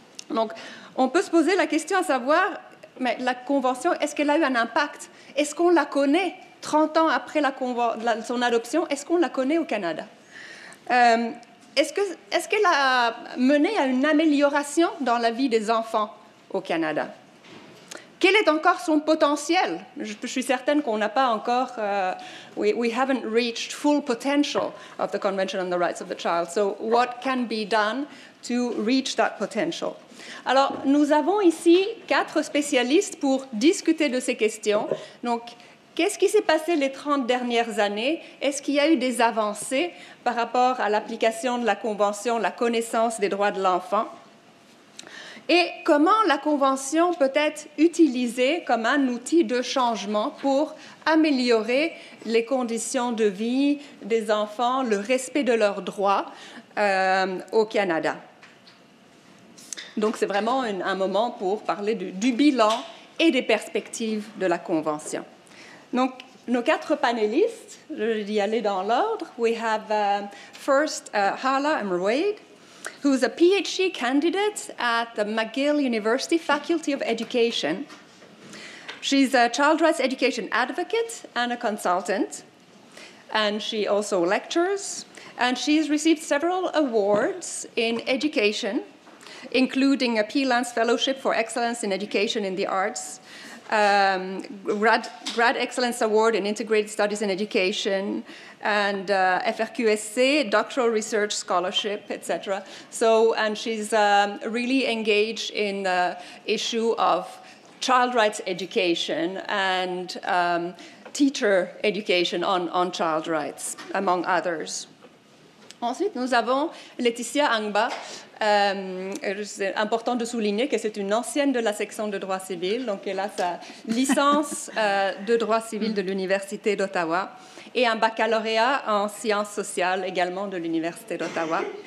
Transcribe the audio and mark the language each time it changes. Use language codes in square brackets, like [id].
[fr] Donc, on peut se poser la question à savoir, mais la Convention, est-ce qu'elle a eu un impact? Est-ce qu'on la connaît 30 ans après son adoption? Est-ce qu'on la connaît au Canada? Est-ce qu'elle a mené à une amélioration dans la vie des enfants au Canada? Quel est encore son potentiel? Je suis certaine qu'on n'a pas encore... [en] We haven't reached full potential of the Convention on the Rights of the Child. So what can be done to reach that potential? [fr] Alors, nous avons ici 4 spécialistes pour discuter de ces questions. Donc, qu'est-ce qui s'est passé les 30 dernières années? Est-ce qu'il y a eu des avancées par rapport à l'application de la Convention, la connaissance des droits de l'enfant? Et comment la Convention peut être utilisée comme un outil de changement pour améliorer les conditions de vie des enfants, le respect de leurs droits au Canada? Donc, c'est vraiment un moment pour parler du bilan et des perspectives de la Convention. Donc, nos 4 panélistes, je vais y aller dans l'ordre. [en] We have first Hala Amrwaid, who is a PhD candidate at the McGill University Faculty of Education. She's a child rights education advocate and a consultant, and she also lectures, and she's received several awards in education, including a PLANS Fellowship for Excellence in Education in the Arts, Grad Excellence Award in Integrated Studies in Education, and FRQSC, Doctoral Research Scholarship, etc. So, and she's really engaged in the issue of child rights education and teacher education on child rights, among others. [fr] Ensuite, nous avons Laetitia Angba. C'est important de souligner que c'est une ancienne de la section de droit civil, donc elle a sa licence de droit civil de l'Université d'Ottawa et un baccalauréat en sciences sociales également de l'Université d'Ottawa.